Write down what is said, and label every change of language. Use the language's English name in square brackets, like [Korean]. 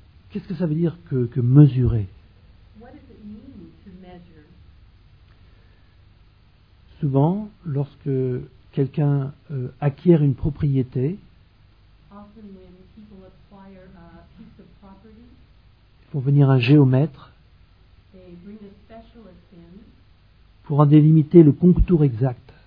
[French] Qu'est-ce que ça veut dire que mesurer? [English] What does it mean to measure? [French] Souvent, lorsque quelqu'un acquiert une propriété, [English] often when people acquire a piece of property, [French] ils font venir un géomètre, [English] they bring a specialist in, [French] pour en délimiter le contour exact.